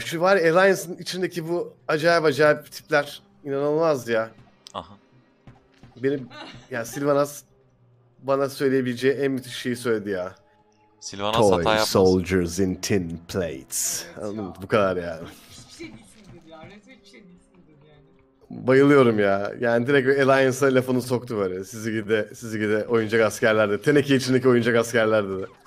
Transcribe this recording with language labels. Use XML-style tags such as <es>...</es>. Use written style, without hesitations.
<tr>Şu var ya, Alliance'ın içindeki bu acayip acayip tipler inanılmaz ya. Aha. Benim ya Sylvanas bana söyleyebileceği en müthiş şeyi söyledi ya. Sylvanas hata yapmaz.</tr> <en>Toy soldiers in tin plates.</en> <tr>Evet, anladın ya. Bu kadar yani. Hiçbir şey değilsindir ya. Resmen hiçbir şey değilsindir yani. Bayılıyorum ya. Yani direkt Alliance'a lafını soktu böyle. Sizi gide oyuncak askerler de. Teneke içindeki oyuncak askerler de.</tr>